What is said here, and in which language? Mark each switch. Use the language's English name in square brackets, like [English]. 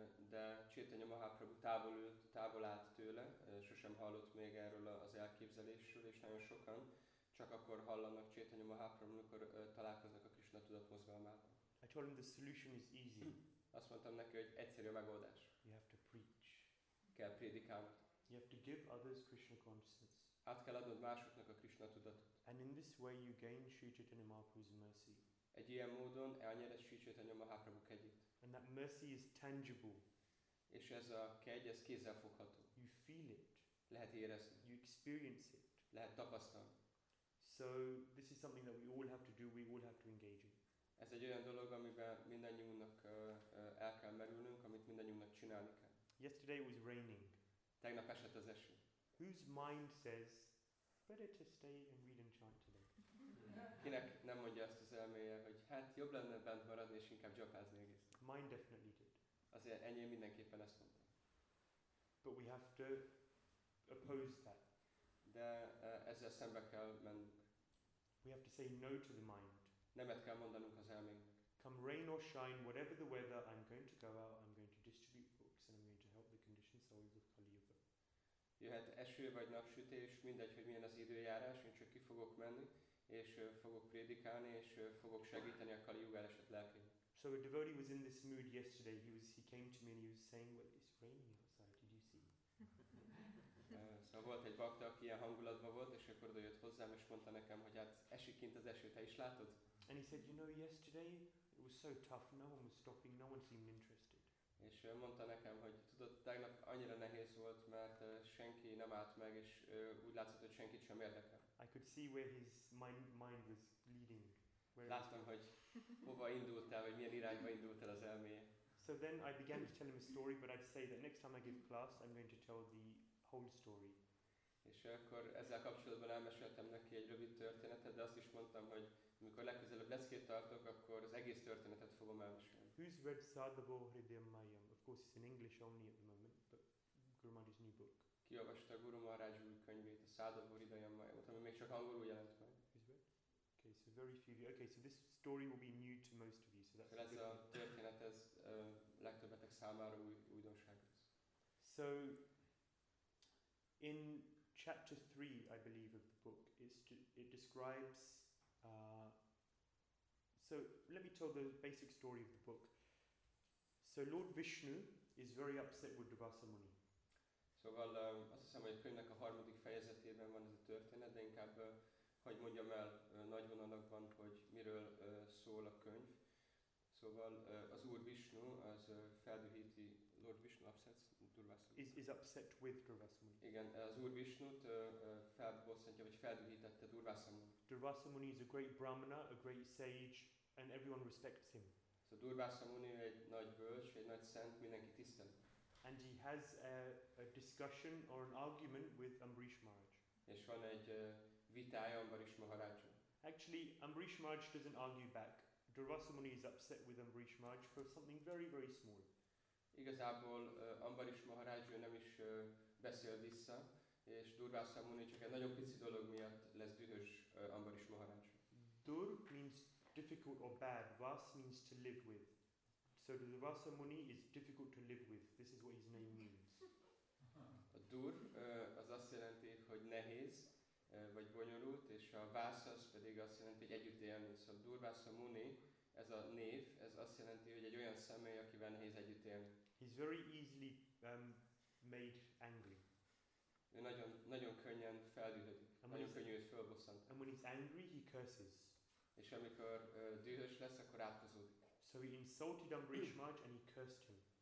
[Hungarian] De Chaitanya Mahaprabhu távol állt tőle, sosem hallott még erről az elképzelésről, és nagyon sokan csak akkor hallanak Chaitanya Mahaprabhu, amikor találkoznak a Krishna tudatmozgalmával. [English] I told him the solution is easy. [Hungarian] Azt mondtam neki, hogy egyszerű a megoldás. [English] You have to preach. [Hungarian] Kell prédikálni. [English] You have to give others Krishna consciousness. [Hungarian] Át kell adnod másoknak a Krishna tudatot. [English] And in this way you gain Sri Chaitanya Mahaprabhu's mercy. [Hungarian] Egy ilyen módon elnyered Sri Chaitanya Mahaprabhu kegyét. [English] And that mercy is tangible. [Hungarian] És ez a kegy, ez kézzelfogható. [English] You feel it. [Hungarian] Lehet érezni. [English] You experience it. [Hungarian] Lehet tapasztalni. [English] So this is something that we all have to do, we all have to engage in. [Hungarian] Ez egy olyan dolog, amiben mindannyiunknak el kell merülnünk, amit mindannyiunknak csinálni kell. [English] Yesterday was raining. [Hungarian] Tegnap esett az eső. [English] Whose mind says, better to stay and read and chant today? [Hungarian] Kinek nem mondja azt az elméje, hogy hát jobb lenne bent maradni és inkább japázni egész. [English] Mine definitely did. [Hungarian] Azért enyém mindenképpen ezt mondta. [English] But we have to oppose that. [Hungarian] De ezzel szembe kell mennünk. [English] We have to say no to the mind. [Hungarian] Nemet kell mondanunk az elménknek. [English] Come rain or shine, whatever the weather, I'm going to go out, I'm going to distribute books and I'm going to help the conditioned souls of Kali Yuga. [Hungarian] Jöhet eső vagy napsütés, mindegy, hogy milyen az időjárás, én csak ki fogok menni, és fogok prédikálni, és fogok segíteni a Kali Yuga esett lelkén. [English] So a devotee was in this mood yesterday. He came to me and he was saying, well, it's raining outside, did you see? [Hungarian] Szóval volt egy bakta, aki ilyen hangulatban volt, és akkor jött hozzám, és mondta nekem, hogy hát esik kint az eső, te is látod? [English] And he said, you know, yesterday it was so tough, no one was stopping, no one seemed interested. [Hungarian] És mondta nekem, hogy tudod, tegnap annyira nehéz volt, mert senki nem állt meg, és úgy látszott, hogy senkit sem érdekel. [English] I could see where his mind was leading. [Hungarian] Láttam, hogy hova indult el, vagy milyen irányba indult el az elméje. [English] So then I began to tell him a story, but I'd say that next time I give class, I'm going to tell the whole story. [Hungarian] És akkor ezzel kapcsolatban elmeséltem neki egy rövid történetet, de azt is mondtam, hogy amikor legközelebb leckét tartok, akkor az egész történetet fogom elmesélni. [English] Who's read Sadhava Hridayamayam? Of course, it's in English only at the moment, but Guru Maharaj's new book. [Hungarian] Ki olvasta Guru Maharaj új könyvét, a Sadhava Hridayamayamot, ami még csak angolul jelent meg. [English] Who's read? Okay, so very few of you. Okay, so this story will be new to most of you, so that's [Hungarian] ez a történet, ez legtöbbetek számára újdonság. [English] So, in chapter 3, I believe, of the book, it describes... So let me tell the basic story of the book. So Lord Vishnu is very upset with Durvasa Muni. [Hungarian] Szóval azt hiszem, hogy a könyvnek a harmadik fejezetében van ez a történet, de inkább hogy mondjam el nagy vonalakban, hogy miről szól a könyv. Szóval az Úr Vishnu az feldühíti [English] Lord Vishnu upsets Durvasa Muni. Is upset with Durvasa Muni. [Hungarian] Igen, az Úr Vishnut felbosszantja, vagy feldühítette Durvasa Muni. [English] Durvasa Muni is a great brahmana, a great sage, and everyone respects him. [Hungarian] So Durvasa Muni egy nagy bölcs, egy nagy szent, mindenki tisztel. [English] And he has a discussion or an argument with Ambarish Maharaj. [Hungarian] És van egy vitája Ambarish Maharaj. [English] Actually, Ambarish Maharaj doesn't argue back. Durvasa Muni is upset with Ambarish Maharaj for something very, very small. [Hungarian] Igazából Ambarish Maharaj nem is beszél vissza, és Durvasa Muni csak egy nagyon pici dolog miatt lesz dühös Ambarish Maharaj. [English] Dur means difficult or bad, Vas means to live with. So Durvasa Muni is difficult to live with, this is what his name means. [Hungarian] A Dur az azt jelenti, hogy nehéz, vagy bonyolult, és a Vas az pedig azt jelenti, hogy együtt élni. Szóval Durvasa Muni, ez a név, ez azt jelenti, hogy egy olyan személy, akivel nehéz együtt élni. [English] He's very easily made angry. [Hungarian] Ő nagyon könnyen feldühödik. Nagyon könnyű őt fölbosszant. [English] And when he's angry, he curses. [Hungarian] És amikor dühös lesz, akkor átkozódik. [English] So he insulted Ambarish Maharaj and he cursed him.